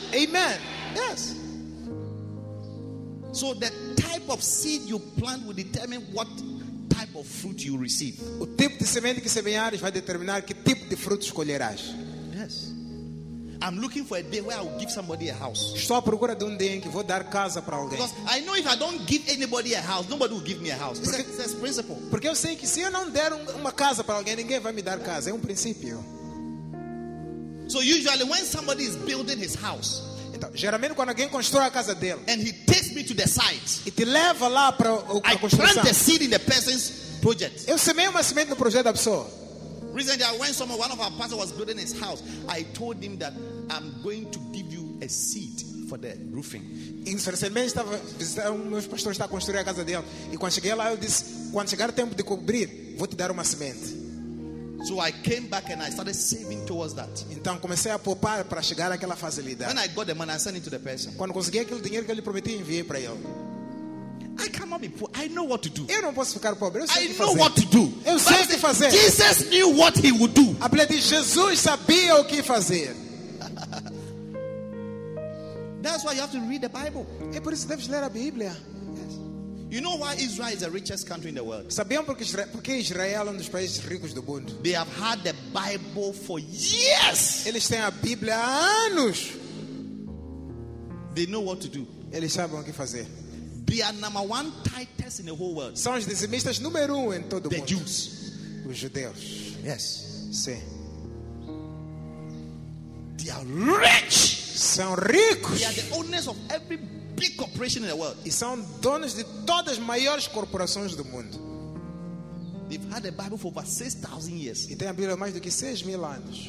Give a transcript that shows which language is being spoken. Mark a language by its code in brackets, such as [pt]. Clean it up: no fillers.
[en] Amen. Yes. So the type of seed you plant will determine what type of fruit you receive. [pt] O tipo de semente que semeares vai determinar que tipo de fruto escolherás. [en] Yes. I'm looking for a day where I'll give somebody a house. [pt] Estou à procura de um dia em que vou dar casa para alguém. [en] Because I know if I don't give anybody a house, nobody will give me a house. That's principle. [pt] Porque eu sei que se eu não der uma casa para alguém, ninguém vai me dar casa. É um princípio. [en] So usually when somebody is building his house, [pt] geralmente quando alguém constrói a casa dele, [en] and he takes me to the site, [pt] e te leva lá para a construção, [en] I plant a seed in the person's project. [pt] Eu semeio uma semente no projeto da pessoa. [en] Recently, when someone, one of our pastors was building his house, I told him that I'm going to give you a seed for the roofing. [pt] Recentemente estava visitando um dos pastores está construindo a casa dele, e quando cheguei lá eu disse, quando chegar o tempo de cobrir, vou te dar uma semente. [en] So I came back and I started saving towards that. [pt] Então comecei a poupar para chegar àquela fase ali. [en] When I got the money, I sent it to the person. [pt] Quando consegui aquele dinheiro que ele prometeu, enviei para ele. [en] I cannot be poor. I know what to do. [pt] Eu não posso ficar pobre. Eu sei [en] I know [pt] fazer. [en] What to do. [pt] Eu sei o que fazer. [en] Jesus knew what he would do. [pt] A palavra de Jesus sabia o que fazer. [en] That's why you have to read the Bible. [pt] É por isso que deves ler a Bíblia. [en] You know why Israel is the richest country in the world? [pt] Sabiam porque Israel é um dos países ricos do mundo? [en] They have had the Bible for years. [pt] Eles têm a Bíblia há anos. [en] They know what to do. [pt] Eles sabem o que fazer. [en] They are number one tightest in the whole world. [pt] São os dizimistas número um em todo o mundo. [en] The Jews. [pt] Os judeus. [en] Yes. [pt] Sim. [en] They are rich. [pt] São ricos. [en] They are the owners of every big corporation in the world. [pt] E são donos de todas as maiores corporações do mundo. [en] They've had the Bible for over 6,000 years. [pt] E tem a Bíblia mais do que 6,000 anos.